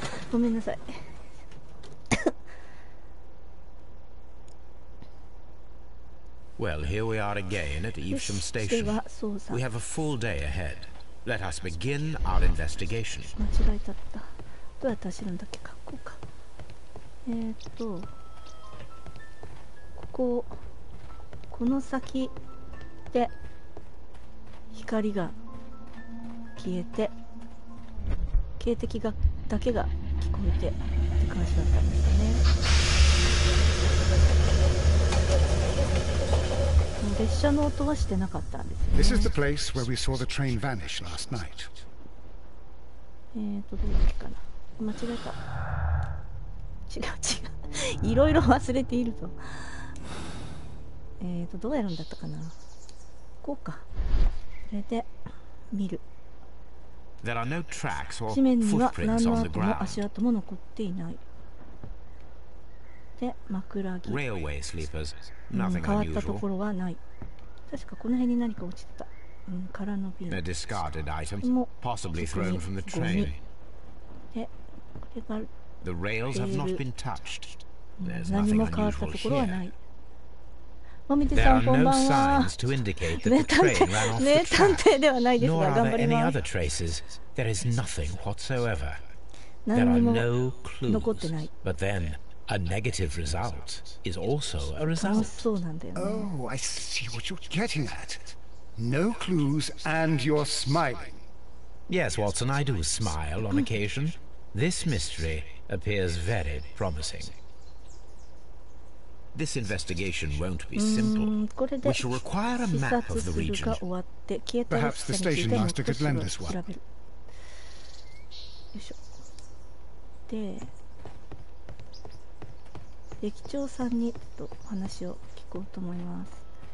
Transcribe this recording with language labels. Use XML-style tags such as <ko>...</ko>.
<ja>ごめんなさい。</ja> <en>Well, here we are again at Evesham Station. We have a full day ahead. Let us begin our investigation.</en> <ja>間違えちゃった。どうやって走るんだっけ？ここか。ここ、この先で光が消えて、警笛がだけが聞こえてって感じだったんですね。列車の音はしてなかったんですね。</ja> <en>This is the place where we saw the train vanish last night.</en> <ja>どうだっけかな。間違えた。違う。いろいろ忘れていると。どうやるんだったかな。こうか。これで見る。</ja> <en>There are no tracks or</en> <ja>地面には何の跡も足跡も残っていない。で枕木、</ja> <en>Railway sleepers. Nothing unusual.</en> <ja>変わったところはない。確かこの辺に何か落ちてた。空の瓶。</ja> <en>A discarded item, possibly thrown from the train.</en> <ja>で、これが、</ja> <en>The rails have not been touched. There's nothing unusual.</en> <ja>何も変わったところはない。マミテさん、こんばんは。名探偵ではないですが、頑張ります。</ja> <en>Nor are there any other traces. There is nothing whatsoever.</en> <ja>何にも残ってない。</ja> <en>But then. A negative result is also a result. Oh, I see what you're getting at. No clues and you're smiling. Yes, Watson, I do smile on occasion. This mystery appears very promising. This investigation won't be simple. We shall require a map of the region. Perhaps the station master could lend us one.</en> <ja>よいしょ。で、駅長さんにちょっとお話を聞こうと思います。</ja>